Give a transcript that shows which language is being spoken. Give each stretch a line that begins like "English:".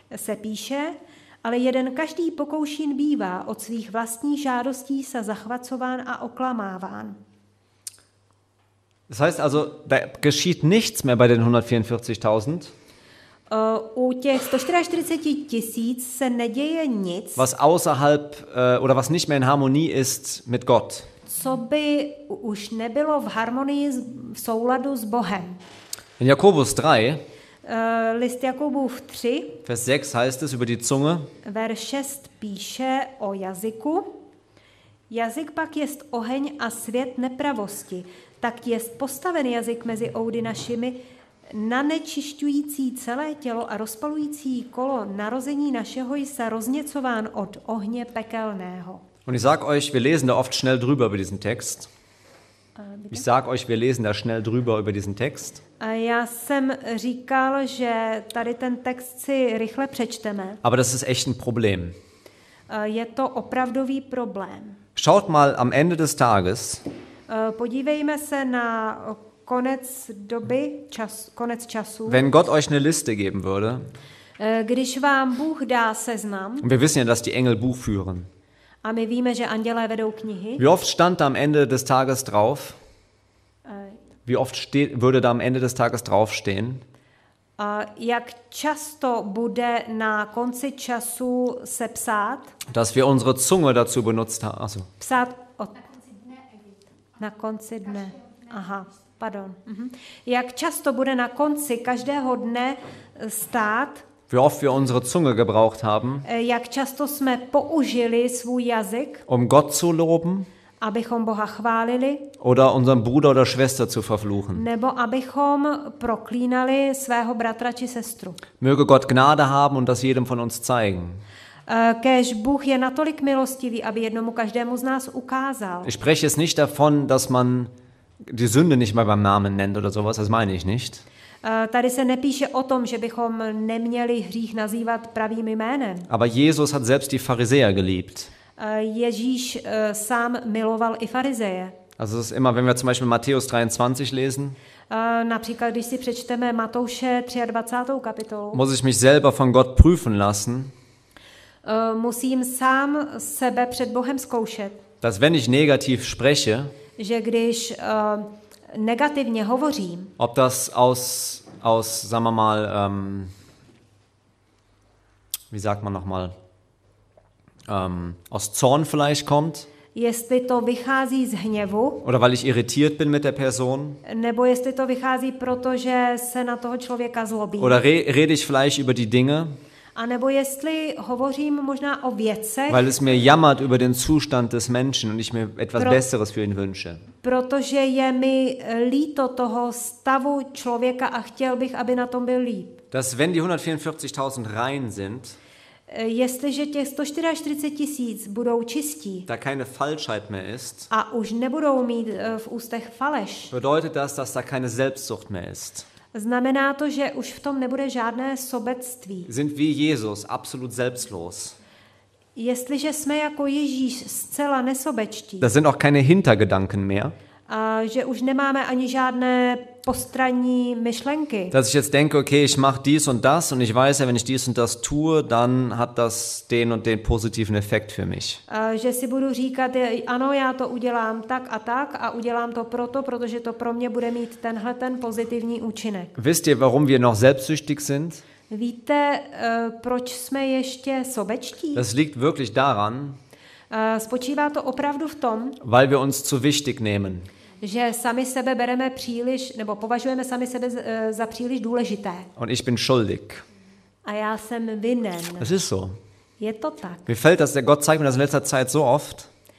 Czech: Se píše, ale jeden každý pokoušín bývá od svých vlastních žádostí se zachvacován a oklamáván.
German: Das heißt also, da geschieht nichts mehr bei den 144.000.
Czech: U těch 144 tisíc se neděje nic.
German: Was außerhalb oder was nicht mehr in Harmonie ist mit Gott.
Czech: Co by už nebylo v harmonii v souladu s Bohem.
German: In Jakobus 3.
Czech: List Jakubův 3.
German: Vers 6 heißt es über die Zunge.
Czech: Vers 6 píše o jazyku. Jazyk pak jest oheň a svět nepravosti. Tak jest postaven jazyk mezi oudy našimi, nanečišťující celé tělo a rozpalující kolo narození našeho jsa rozněcován od ohně pekelného.
German: Und ich sag euch, wir lesen da oft schnell drüber über diesen Text. Ich sag euch, wir lesen da schnell drüber über diesen Text.
Czech: Já jsem říkal, že tady ten text si rychle přečteme.
German: Aber das ist echt ein Problem.
Czech: Je to opravdový problém.
German: Schaut mal am Ende des Tages.
Czech: Podívejme se na konec doby, konec času.
German: Wenn Gott euch eine Liste geben würde.
Czech: Když vám Bůh dá seznam.
German: Wir wissen ja, dass die Engel Buch führen.
Czech: A my víme, že andělé vedou knihy.
German: Wie oft stand am Ende des Tages drauf? Wie oft würde da am Ende des Tages drauf stehen?
Czech: Jak často bude na konci času se psát?
German: Dass wir unsere Zunge dazu benutzt haben. Also.
Czech: Psát od... na konci dne. Aha, pardon. Jak často bude na konci každého dne stát?
German: Wie oft wir unsere Zunge gebraucht haben,
Czech: jak často jsme použili svůj jazyk,
German: um Gott zu loben,
Czech: abychom Boha chválili,
German: oder unseren Bruder oder Schwester zu verfluchen,
Czech: nebo abychom proklínali svého bratra či sestru.
German: Möge Gott Gnade haben und das jedem von uns zeigen.
Czech: Kéž Bůh je natolik milostivý, aby jednomu každému z nás ukázal.
German: Ich spreche jetzt nicht davon, dass man die Sünde nicht mal beim Namen nennt oder sowas, das meine ich nicht.
Czech: Tady se nepíše o tom, že bychom neměli hřích nazývat pravým jménem.
German: Aber Jesus hat selbst die Pharisäer geliebt.
Czech: Ježíš sám miloval i farizeje.
German: Also es ist immer, wenn wir zum Beispiel Matthäus 23 lesen.
Czech: Například, když si přečteme Matouše 23. kapitolu.
German: Muss ich mich selber von Gott prüfen lassen.
Czech: Musím sám sebe před Bohem zkoušet.
German: Dass wenn ich negativ spreche.
Czech: Že když negativně hovořím.
German: Ob das aus sagen wir mal wie sagt man noch mal aus Zorn vielleicht kommt?
Czech: Jestli to vychází z hněvu?
German: Oder weil ich irritiert bin mit der Person?
Czech: Nebo jestli to vychází proto, že se na toho člověka zlobím?
German: Oder rede ich vielleicht über die Dinge?
Czech: A nebo jestli hovořím možná o věcech?
German: Weil es mir jammert über den Zustand des Menschen und ich mir etwas besseres für ihn wünsche.
Czech: Protože je mi líto toho stavu člověka a chtěl bych, aby na tom byl líp.
German: Dass wenn die 144.000 rein sind,
Czech: jestliže těch 144 tisíc budou čistí,
German: da keine Falschheit mehr ist,
Czech: a už nebudou mít v ústech faleš,
German: bedeutet das, dass da keine Selbstsucht mehr ist.
Czech: Znamená to, že už v tom nebude žádné sobectví.
German: Sind wie Jesus, absolut selbstlos.
Czech: Jestliže jsme jako Ježíš zcela nesobečtí.
German: Das sind auch keine Hintergedanken mehr.
Czech: že už nemáme ani žádné postranní myšlenky.
German: Dass ich jetzt denke, okay, ich mache dies und das und ich weiß ja, wenn ich dies und das tue, dann hat das den und den positiven Effekt für mich.
Czech: Že si budu říkat, ano, já to udělám tak a udělám to proto, protože to pro mě bude mít tenhle ten pozitivní účinek.
German: Wisst ihr, warum wir noch selbstsüchtig sind?
Czech: Víte, proč jsme ještě sobečtí?
German: Das liegt wirklich daran,
Czech: spočívá to opravdu v tom,
German: weil wir uns zu wichtig nehmen.
Czech: Že sami sebe bereme příliš, nebo považujeme sami sebe za příliš důležité.
German: Und ich bin schuldig.
Czech: A já jsem vinen.
German: Das ist so.
Czech: Je to tak.
German: Mir fällt das, der Gott zeigt mir das in letzter Zeit so oft.